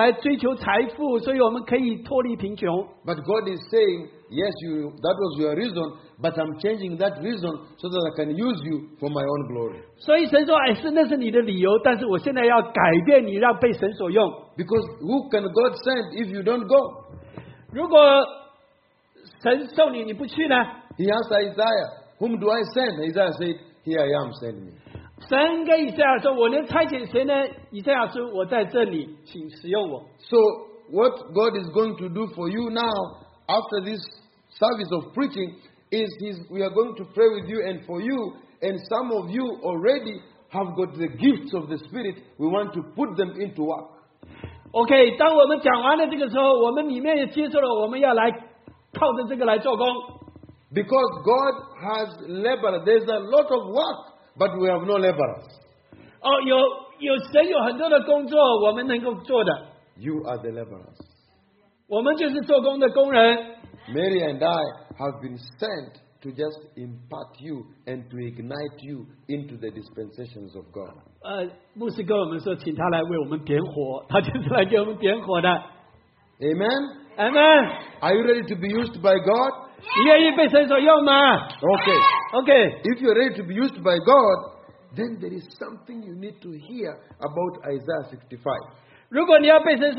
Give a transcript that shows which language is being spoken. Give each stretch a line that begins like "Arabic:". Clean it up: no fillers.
Chinese: 当我们来美国的时候，可能我们说我们要来这里来追求财富，所以我们可以脱离贫穷。
English: But God is saying, yes, that was your reason, but I'm changing that reason so that I can use you for my own glory.
Chinese: 所以神说，哎，是那是你的理由，但是我现在要改变你，让被神所用。
English: Because who can God send if you don't go?
Chinese: 如果神送你，你不去呢？
English: He asked Isaiah, whom do I send? Isaiah said, here I am, send me.
Chinese: 神跟以赛亚说，我能差遣谁呢？以赛亚说，我在这里，请使用我。
English: So what God is going to do for you now, after this service of preaching, is we are going to pray with you and for you, and some of you already have got the gifts of the Spirit. We want to put them into work.
Chinese: Okay, 当我们讲完了这个时候，我们里面也接受了，我们要来靠着这个来做工。
English: Because God has labor, there's a lot of work, but we have no laborers.
Chinese: Oh, 有神有很多的工作，我们能够做的。
English: You are the laborers.
Chinese: 我们就是做工的工人。
English: Mary and I have been sent to just impart you and to ignite you into the dispensations of God.
Chinese: 牧师跟我们说，请他来为我们点火，他就是来给我们点火的。
English: Amen. Amen. Are you ready to be used by God? 你愿意被神所用吗? Okay. Okay. If you're ready to be used by God, then there is something you need to hear about Isaiah 65.